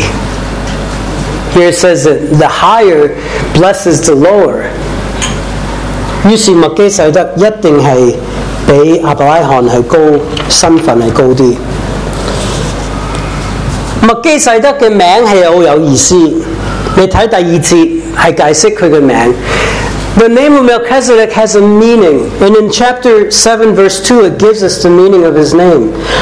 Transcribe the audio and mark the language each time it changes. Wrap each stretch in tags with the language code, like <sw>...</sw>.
<en>it says that the higher blesses the lower.</en> <zh>于是麦基洗德一定是比亚伯拉罕高，身份是高的。麦基洗德的名是很有意思，你看第二节是解释他的名。</zh> <en>The name of Melchizedek has a meaning, and in chapter 7 verse 2 it gives us the meaning of his name.</en>